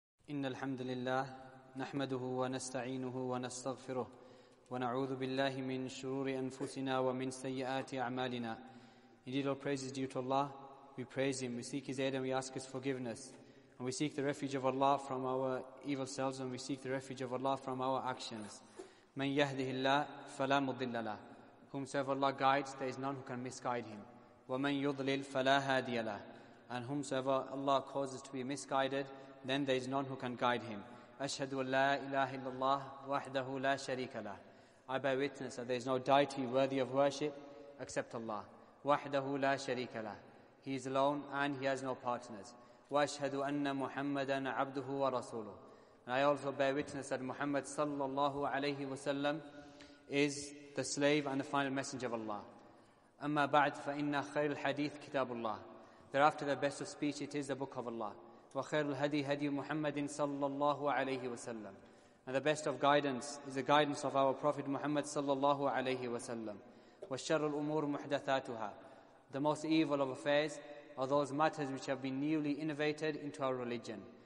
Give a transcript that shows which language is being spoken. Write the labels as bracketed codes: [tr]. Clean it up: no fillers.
[ar] إن الحمد لله نحمده ونستعينه ونستغفره ونعوذ بالله من شرور أنفسنا ومن سيئات أعمالنا. [en] Indeed, all praise is due to Allah. We praise Him. We seek His aid and we ask His forgiveness. And we seek the refuge of Allah from our evil selves and we seek the refuge of Allah from our actions. [ar] من يهده الله فلا مضل له. [en] Whomsoever Allah guides, there is none who can misguide him. [ar] ومن يضلل فلا هادي له. [en] And whomsoever Allah causes to be misguided, then there is none who can guide him. [ar] أشهد أن لا إله إلا الله وحده لا شريك له. [en] I bear witness that there is no deity worthy of worship except Allah. [ar] وحده لا شريك له. [en] He is alone and he has no partners. [ar] وأشهد أن محمدا عبده ورسوله. [en] And I also bear witness that Muhammad sallallahu alayhi wa sallam is the slave and the final messenger of Allah. [ar] أما بعد فإن خير الحديث كتاب الله. [en] Thereafter, the best of speech, it is the book of Allah. [ar] وَخَيْرُ الْهَدِي هَدِي مُحَمَّدٍ صَلَّى اللَّهُ عَلَيْهِ وَسَلَّمُ. [en] And the best of guidance is the guidance of our Prophet Muhammad sallallahu alayhi wa sallam. [ar] وَالشَّرُّ الْأُمُورُ مُحْدَثَاتُهَا. [en] The most evil of affairs are those matters which have been newly innovated into our religion.